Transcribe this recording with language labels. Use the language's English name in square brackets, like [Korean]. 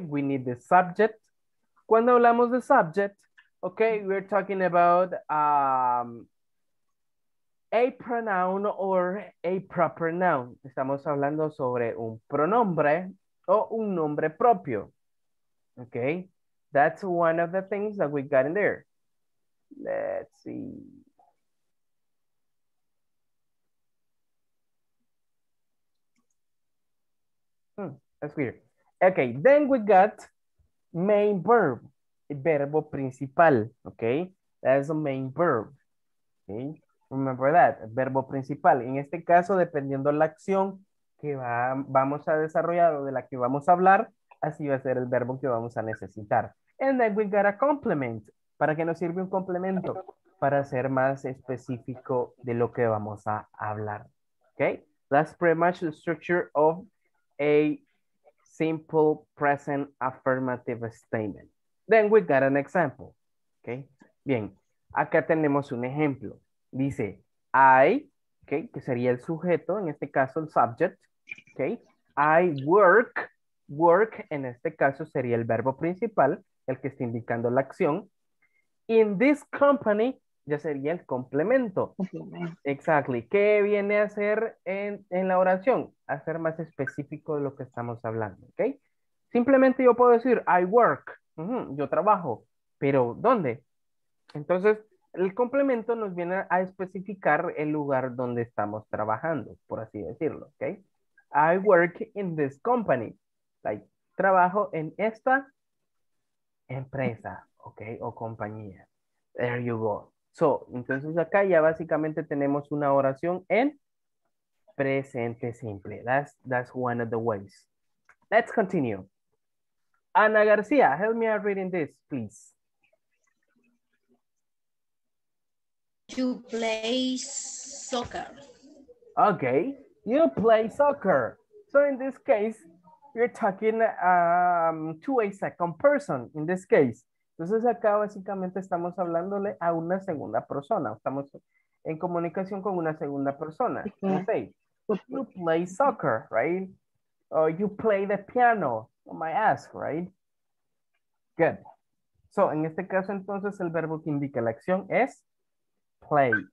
[English] We need the subject. [Spanish] Cuando hablamos de [English] subject, okay, we're talking about a pronoun or a proper noun. [Spanish] Estamos hablando sobre un pronombre o un nombre propio. [English] Okay, that's one of the things that we got in there. Let's see. That's weird. Okay, then we got main verb, [Spanish] verbo principal, [English] okay? That's a main verb, okay? Remember that, [Spanish] verbo principal. En este caso, dependiendo la acción que vamos a desarrollar o de la que vamos a hablar, así va a ser el verbo que vamos a necesitar. [English] And then we got a complement. [Spanish] ¿Para qué nos sirve un complemento? Para ser más específico de lo que vamos a hablar, okay? [English] That's pretty much the structure of a simple present affirmative statement. Then we got an example. Okay. [Spanish] Bien. Acá tenemos un ejemplo. Dice, I, okay, que sería el sujeto, en este caso el subject. Okay. [English] I work. [Spanish] Work, en este caso, sería el verbo principal, el que está indicando la acción. [English] In this company, [Spanish] ya sería el complemento. Exactly. ¿Qué viene a hacer en la oración? A ser más específico de lo que estamos hablando. ¿Okay? Simplemente yo puedo decir, [English] I work. [Spanish] Yo trabajo. ¿Pero dónde? Entonces, el complemento nos viene a especificar el lugar donde estamos trabajando, por así decirlo. ¿Okay? I work in this company. Like, trabajo en esta empresa. ¿Okay? O compañía. There you go. So, entonces acá ya básicamente tenemos una oración en presente simple. [English] That's one of the ways. Let's continue. Ana García, help me out reading this, please. You play soccer. Okay, you play soccer. So in this case, you're talking to a second person in this case. [Spanish] Entonces acá básicamente estamos hablándole a una segunda persona. Estamos en comunicación con una segunda persona. Okay. [English] You play soccer, right? Or you play the piano on my ass, right? Good. [Spanish] So, en este caso entonces el verbo que indica la acción es play.